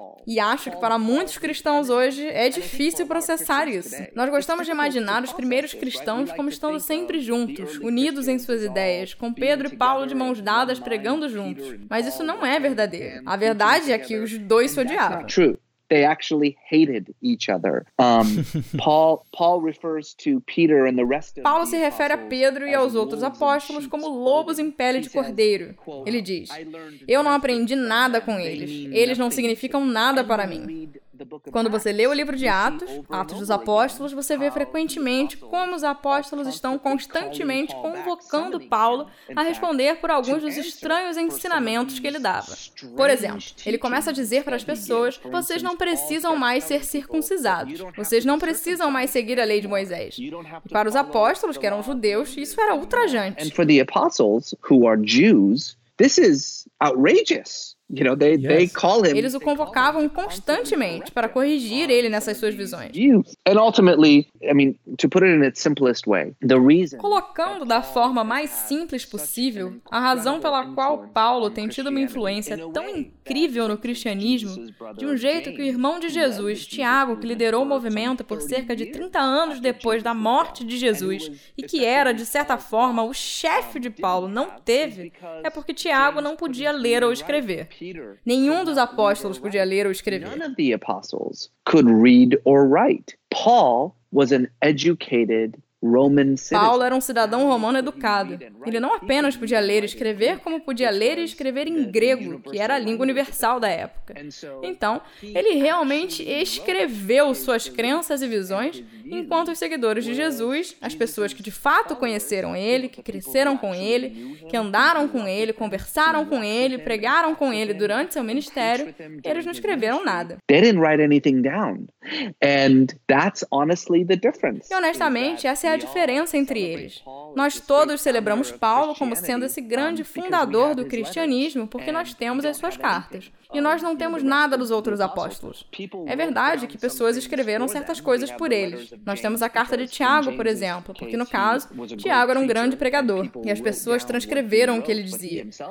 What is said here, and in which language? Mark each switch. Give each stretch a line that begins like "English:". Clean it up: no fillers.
Portuguese: E acho que para muitos cristãos hoje é difícil processar isso. Nós gostamos de imaginar os primeiros cristãos como estando sempre juntos, unidos em suas ideias, com Pedro e Paulo de mãos dadas pregando juntos. Mas isso não é verdadeiro. A verdade é que os dois se odiavam.
English: They actually hated each other. Paul refers to Peter and the rest of
Portuguese: Paulo se refere a Pedro e aos outros apóstolos como lobos em pele de cordeiro. Ele diz, eu não aprendi nada com eles. Eles não significam nada para mim. Quando você lê o livro de Atos, Atos dos Apóstolos, você vê frequentemente como os apóstolos estão constantemente convocando Paulo a responder por alguns dos estranhos ensinamentos que ele dava. Por exemplo, ele começa a dizer para as pessoas, vocês não precisam mais ser circuncisados, vocês não precisam mais seguir a lei de Moisés. E para os apóstolos, que eram judeus, isso era ultrajante. E para os apóstolos, que são judeus, isso é outrageous.
English: You know, they call him.
Portuguese: Eles o convocavam constantemente para corrigir ele nessas suas visões.
English: And ultimately, I mean, to put it in its simplest way, the reason.
Portuguese: Colocando da forma mais simples possível, a razão pela qual Paulo tem tido uma influência tão incrível no cristianismo, de um jeito que o irmão de Jesus, Tiago, que liderou o movimento por cerca de 30 anos depois da morte de Jesus, e que era, de certa forma, o chefe de Paulo, não teve, é porque Tiago não podia ler ou escrever. Nenhum dos apóstolos podia ler ou escrever.
English: None of the apostles could read or write. Paul was an educated Roman citizen.
Portuguese: Paulo era um cidadão romano educado. Ele não apenas podia ler e escrever, como podia ler e escrever em grego, que era a língua universal da época. Então, ele realmente escreveu suas crenças e visões, enquanto os seguidores de Jesus, as pessoas que de fato conheceram ele, que cresceram com ele, que andaram com ele, conversaram com ele, pregaram com ele durante seu ministério, eles não escreveram nada.
English: They didn't write anything down. And that's honestly the difference.
Portuguese: E honestamente, essa é a diferença entre eles. Nós todos celebramos Paulo como sendo esse grande fundador do cristianismo porque nós temos as suas cartas. E nós não temos nada dos outros apóstolos. É verdade que pessoas escreveram certas coisas por eles. Nós temos a carta de Tiago, por exemplo, porque no caso, Tiago era um grande pregador e as pessoas transcreveram o que ele dizia.